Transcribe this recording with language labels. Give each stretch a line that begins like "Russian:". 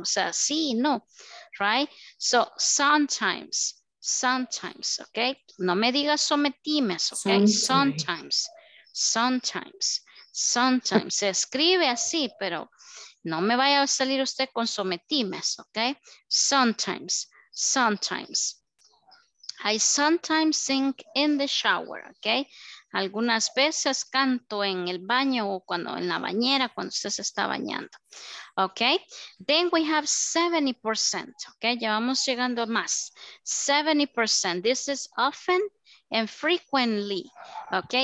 Spanish: O sea, sí y no, right?
English: So sometimes, sometimes,
Spanish: okay? No me digas
English: sometimes, okay? Sometimes, sometimes, sometimes.
Spanish: Se escribe así, pero no me vaya a salir usted con sometimes, okay?
English: Sometimes. Sometimes. I sometimes sink in the shower, okay?
Spanish: Algunas veces canto en el baño o cuando en la bañera, cuando usted se está bañando.
English: Ok. Then we have 70%. Ok.
Spanish: Ya vamos llegando a más. 70%.
English: This is often and frequently.
Spanish: Ok.